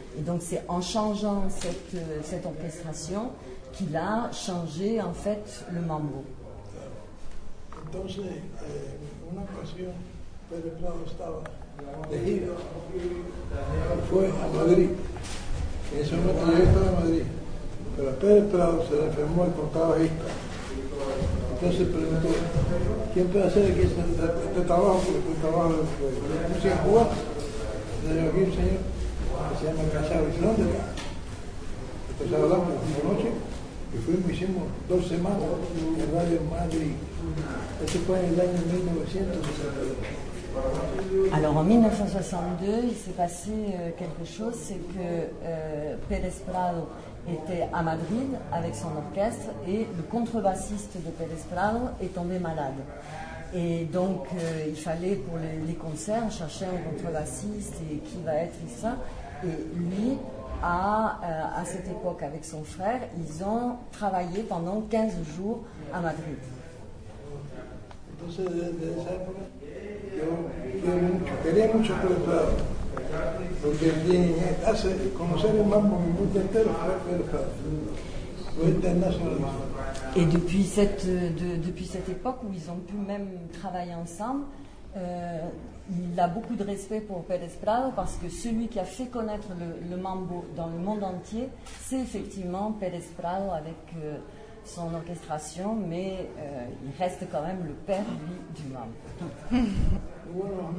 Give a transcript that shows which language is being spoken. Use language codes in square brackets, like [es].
[fr] Et donc c'est en changeant cette orchestration qu'il a changé en fait le mambo. Donc, une occasion, [es] Pérez Prado estaba de gira, fue a Madrid. En ese momento yo estaba en Madrid. Pero Pérez Prado se enfermó y contaba esto. Entonces preguntó: ¿quién puede hacer aquí este trabajo? Porque este trabajo lo puse a jugar. Le digo aquí un señor que se llama Casado, dice, ¿dónde va? Entonces hablamos una noche y fuimos, hicimos dos semanas en Radio Madrid. Eso fue en el año 1962. [fr] Alors en 1962, il s'est passé quelque chose, c'est que Pérez Prado était à Madrid avec son orchestre et le contrebassiste de Pérez Prado est tombé malade. Et donc il fallait pour les concerts chercher un contrebassiste et qui va être ça. Et lui, à cette époque avec son frère, ils ont travaillé pendant 15 jours à Madrid. [es] Entonces, desde esa época, yo quería mucho Pérez Prado, porque hace conocer el mambo en el mundo entero fue Pérez Prado, fue internacionalizado. [fr] Et depuis cette époque où ils ont pu même travailler ensemble, il a beaucoup de respect pour Pérez Prado parce que celui qui a fait connaître le mambo dans le monde entier, c'est effectivement Pérez Prado avec son orchestration, mais il reste quand même le père, lui, du mambo.